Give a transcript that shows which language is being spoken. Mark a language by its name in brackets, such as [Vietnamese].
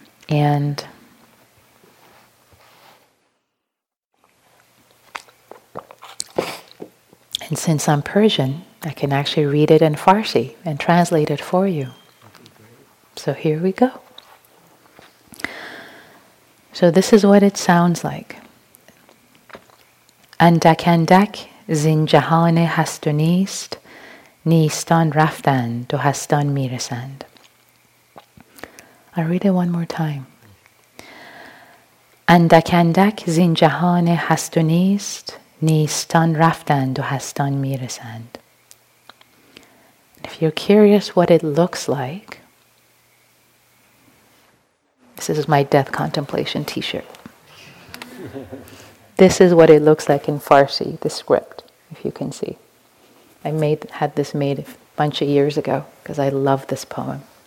[English] And since I'm Persian, I can actually read it in Farsi and translate it for you. So here we go. So this is what it sounds like. [Persian] اندک اندک زین جهان هست و نیست نیستان رفتند و هستان میرسند. [English] I'll read it one more time. [Persian] اندک اندک زین جهان هست و نیست نیستان رفتند و هستان میرسند. [English] If you're curious what it looks like, this is my death contemplation t-shirt. This is what it looks like in Farsi, the script, if you can see. I had this made a bunch of years ago because I love this poem.